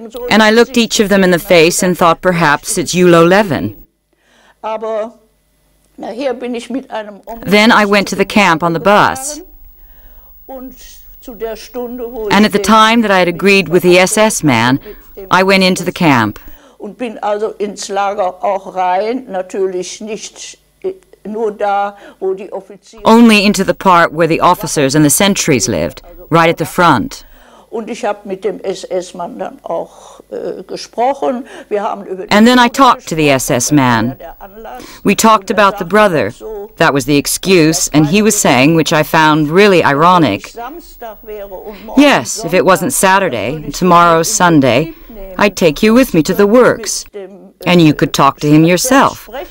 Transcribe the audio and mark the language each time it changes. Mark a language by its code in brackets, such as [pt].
[en] And I looked each of them in the face and thought, perhaps it's Julo Levin. Then I went to the camp on the bus. And at the time that I had agreed with the SS man, I went into the camp. [de] Und bin also ins Lager auch rein, natürlich nicht nur da, wo die Offiziere. [en] Only into the part where the officers and the sentries lived, right at the front. [de] Und ich habe mit dem SS-Mann dann auch gesprochen. Wir haben über. [en] And then I talked to the SS-Man. We talked about the brother. That was the excuse, and he was saying, which I found really ironic. Yes, if it wasn't Saturday, tomorrow's Sunday. I'd take you with me to the works, and you could talk to him yourself.